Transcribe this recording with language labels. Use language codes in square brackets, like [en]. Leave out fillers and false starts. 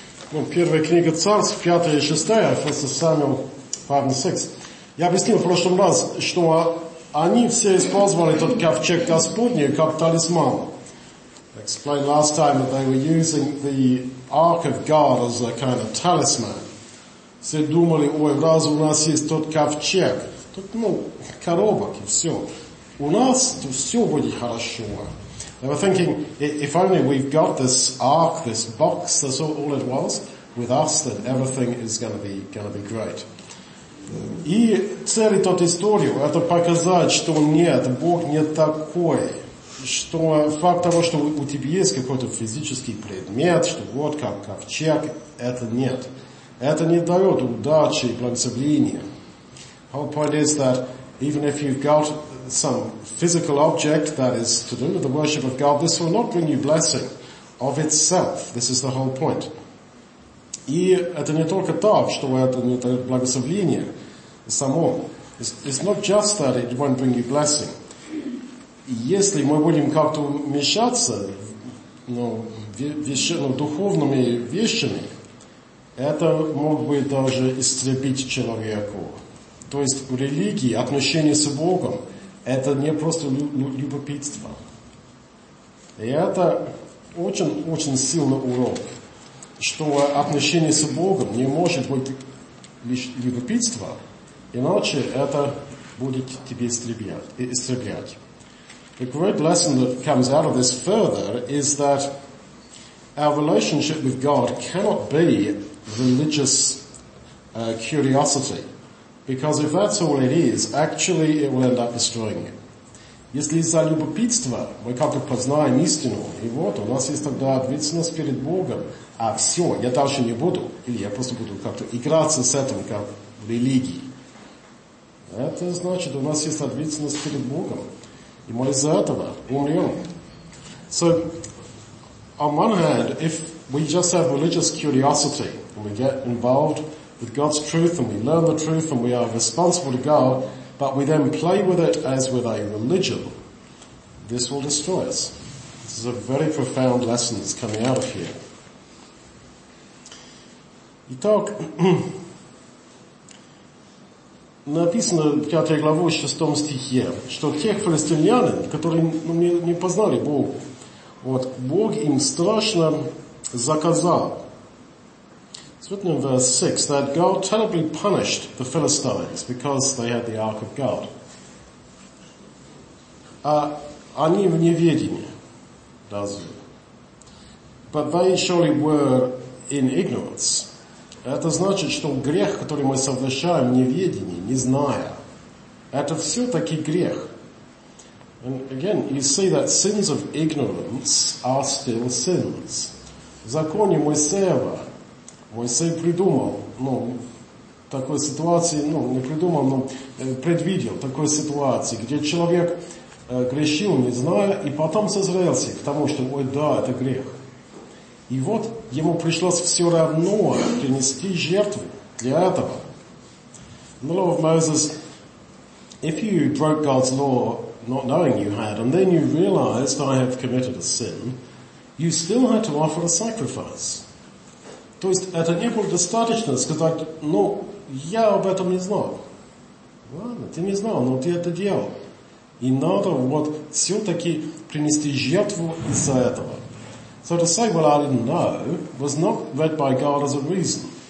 [ru] Ну, первая книга Царств, 5 и 6, First Samuel 5 и 6. Я объяснил в прошлом раз, что они все использовали тот ковчег Господний как талисман. [en] I explained last time that they were using the Ark of God as a kind of talisman. [ru] Все думали, ой, раз у нас есть тот ковчег, тот, ну, коробок и все. У нас то все будет хорошо. [en] They were thinking, if only we've got this ark, this box, that's all it was, with us, then everything is gonna be great. [ru] И цели тот историю, это показать, что нет, Бог не такой. Что факт того, что у тебя есть какой-то физический предмет, что вот как ковчег, это нет. Это не дает удачи и благословения. [en] Whole point is that even if you've got some physical object that is to do with the worship of God, this will not bring you blessing of itself. This is the whole point. [ru] И это не только так, что это не дает благословения само. [en] It's not just that it won't bring you blessing. [ru] Если мы будем как-то вмешаться, ну, духовными вещами, это мог бы даже истребить человеку. То есть в религии отношения с Богом — это не просто любопытство. И это очень-очень сильный урок, что отношение с Богом не может быть лишь любопытство, иначе это будет тебе истреблять. [en] The great lesson that comes out of this further is that our relationship with God cannot be religious curiosity. Because if that's all it is, actually it will end up destroying you. [ru] Если из-за любопытства мы как-то познаем истину, и вот у нас есть тогда ответственность перед Богом, а все, я дальше не буду, или я просто буду как-то играться с этим, как в религии. Это значит, у нас есть ответственность перед Богом, и мы из-за этого умрем. [en] So, on one hand, if we just have religious curiosity, and we get involved with God's truth, and we learn the truth, and we are responsible to God, but we then play with it as with a religion, this will destroy us. This is a very profound lesson that's coming out of here. [ru] Итак, написано в 5 главе 6 стихе, что тех филистимлян, которые не познали Бога, вот, Бог им страшно заказал. [en] It's written in verse 6 that God terribly punished the Philistines because they had the Ark of God. [ru] Они в неведении, разве? [en] But they surely were in ignorance. [ru] Это значит, что грех, который мы совершаем в неведении, не зная, это все-таки грех. [en] And again, you see that sins of ignorance are still sins. [ru] В законе Моисеева Моисей придумал, ну, такой ситуации, ну, не придумал, но предвидел такой ситуации, где человек грешил, не зная, и потом созрелся к тому, что, ой, да, это грех. И вот ему пришлось все равно принести жертву для этого. [en] The law of Moses, if you broke God's law not knowing you had, and then you realized I have committed a sin, you still had to offer a sacrifice. [ru] То есть это не было достаточно сказать, ну, я об этом не знал. Ладно, ты не знал, но ты это делал. И надо вот все-таки принести жертву из-за этого. [en] So to say, well, I didn't know, was not read by God as a reason.